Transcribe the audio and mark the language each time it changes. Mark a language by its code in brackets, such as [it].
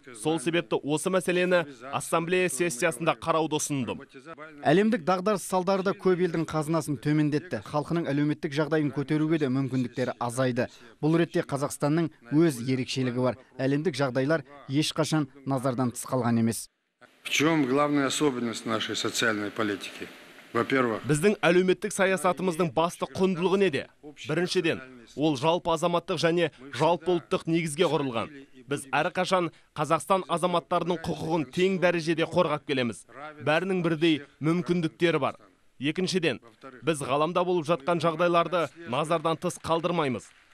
[kk] Сол себепті осы мәселені ассамблея сессиясында қарауды ұсындым. Әлемдік дағдарыс салдары да көп елдің қазынасын төмендетті. Халқының әлеуметтік жағдайын көтеруге де мүмкіндіктері азайды. Бұл ретте Қазақстанның өз ерекшелігі бар. Әлемдік жағдайлар ешқашан назардан тыс қалған емес. [ru] В чем главная особенность нашей социальной политики? [kk] Біздің әлеуметтік саясатымыздың басты құндылығы неде? Біріншіден, ол жалпы азаматтық және жалпы ұлттық негізге құрылған. Біз әрқашан Қазақстан азаматтарының құқығын тең дәрежеде қорғап келеміз. Бәрінің бірдей мүмкіндіктері бар. Екіншіден, біз ғаламда болып жатқан жағдайларды назардан тыс қалдырмаймыз.